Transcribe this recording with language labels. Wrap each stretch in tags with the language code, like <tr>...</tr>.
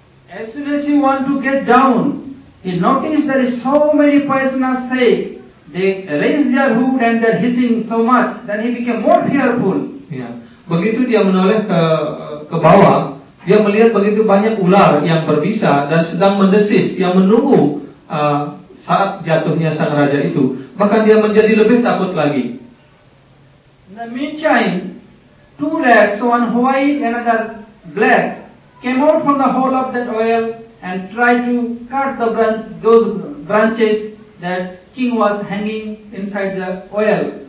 <en>As soon as he want to get down, he noticed there is so many poisonous snake. They raise their hook and they're hissing so much that he became more fearful.</en> <id>Ya. Begitu dia menoleh ke bawah, dia melihat begitu banyak ular yang berbisa dan sedang mendesis yang menunggu saat jatuhnya sang raja itu. Maka dia menjadi lebih takut lagi.</id> <en>In the meantime, two rats, one white and another black, came out from the hole of that well and tried to cut those branches that king was hanging inside the well.</en>